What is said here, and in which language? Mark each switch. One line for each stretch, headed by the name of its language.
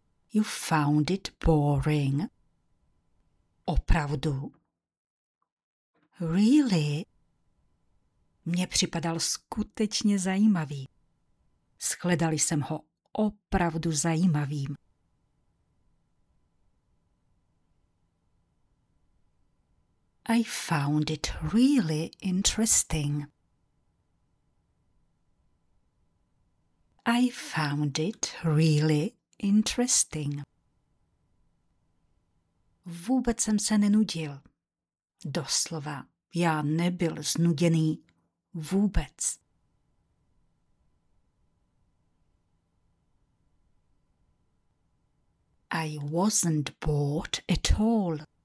English: You found it boring. Opravdu. Really?
Czech: Mně připadal skutečně zajímavý. Shledali jsem ho opravdu zajímavým.
English: I found it really interesting. I found it really interesting.
Czech: Vůbec jsem se nenudil. Doslova, já nebyl znuděný vůbec.
English: I wasn't bored at all.